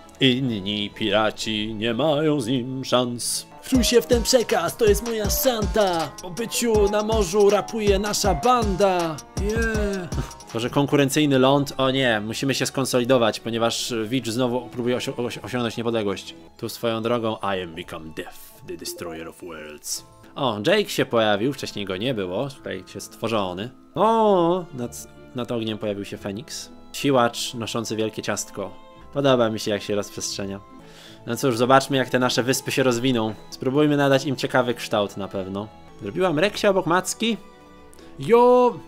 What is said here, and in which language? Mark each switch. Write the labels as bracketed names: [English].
[Polish] Inni piraci nie mają z nim szans. Wczuj się w ten przekaz, to jest moja szanta. Po byciu na morzu rapuje nasza banda. Może konkurencyjny ląd? O nie, musimy się skonsolidować, ponieważ Widz znowu próbuje osiągnąć niepodległość. Tu swoją drogą. [English] I am become death, the destroyer of worlds. [Polish] O, Jake się pojawił, wcześniej go nie było. Tutaj się stworzony. O, nad ogniem pojawił się Feniks. Siłacz noszący wielkie ciastko. Podoba mi się, jak się rozprzestrzenia. No cóż, zobaczmy, jak te nasze wyspy się rozwiną. Spróbujmy nadać im ciekawy kształt na pewno. Zrobiłam Reksia obok Macki? Jo!